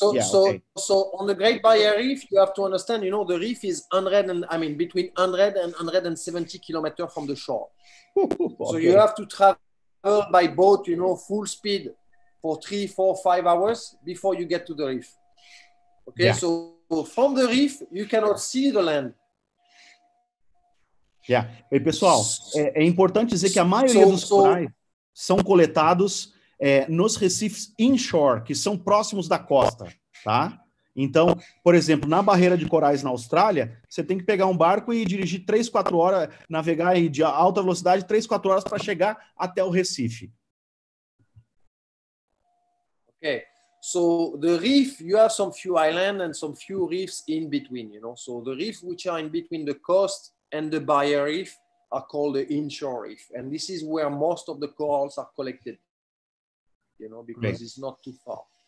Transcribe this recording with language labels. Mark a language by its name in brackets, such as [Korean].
[English] So on the Great Barrier Reef, you have to understand, you know, the reef is 100 and, I mean, between 100 and 170 kilometers from the shore. Okay. So you have to travel by boat, you know, full speed for 3, 4, 5 hours before you get to the reef. Okay, yeah. So from the reef, you cannot see the land. Yeah. [Portuguese] E pessoal, é importante dizer que a maioria dos corais são coletados nos recifes inshore, que são próximos da costa, tá? Então, por exemplo, na barreira de corais na Austrália, você tem que pegar um barco e dirigir 3, 4 horas, navegar de alta velocidade, 3, 4 horas para chegar até o recife. [English] Okay. So the reef, you have some few islands and some few reefs in between, you know. So the reefs which are in between the coast and the barrier reef are called the inshore reef, and this is where most of the corals are collected. You know, because it's not too far.